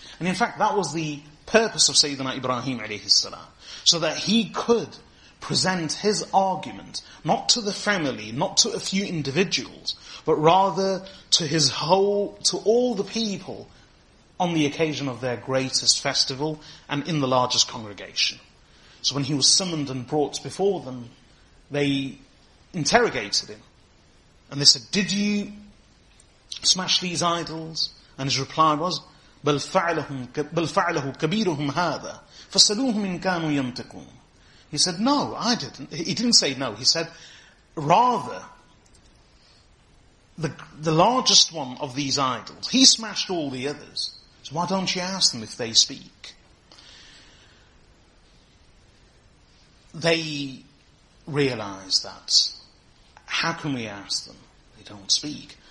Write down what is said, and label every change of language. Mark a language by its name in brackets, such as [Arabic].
[English] And in fact, that was the purpose of Sayyidina Ibrahim alayhi salam, so that he could present his argument, not to the family, not to a few individuals, but rather to his whole, to all the people, on the occasion of their greatest festival and in the largest congregation. So when he was summoned and brought before them, they interrogated him. And they said, did you smash these idols? And his reply was, [Arabic] بَلْ فَعْلَهُ كَبِيرُهُمْ هَذَا فَسَلُوهُمْ إِن كَانُوا يَمْتَكُونَ. [English] He said, no, I didn't. He didn't say no. He said, rather, the largest one of these idols, he smashed all the others. So why don't you ask them if they speak? They realize that. How can we ask them? They don't speak.